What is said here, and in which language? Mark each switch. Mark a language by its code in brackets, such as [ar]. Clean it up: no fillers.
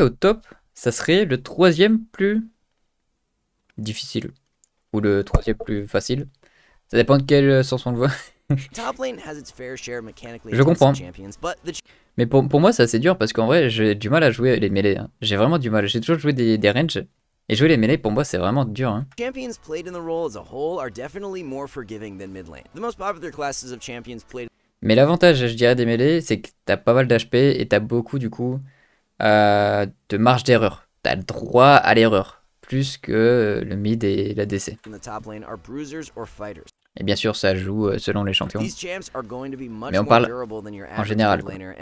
[fr] Ok, au top, ça serait le troisième plus difficile ou le troisième plus facile. Ça dépend de quel sens on le voit. [en] Top lane has its fair share of mechanically difficult champions, but the... [fr] Mais pour moi, c'est assez dur parce qu'en vrai, j'ai du mal à jouer les mêlées. Hein. J'ai vraiment du mal. J'ai toujours joué des ranges. Et jouer les mêlées, pour moi, c'est vraiment dur. Hein. [en] Champions played in the role as a whole are definitely more forgiving than mid lane. The most popular classes of champions played... [fr] Mais l'avantage, je dirais, des mêlées, c'est que t'as pas mal d'HP et t'as beaucoup, du coup, de marge d'erreur. T'as le droit à l'erreur, plus que le mid et l'ADC. [en] In the top lane are bruisers or fighters. [fr] Et bien sûr, ça joue selon les champions. Mais on parle en général. Quoi.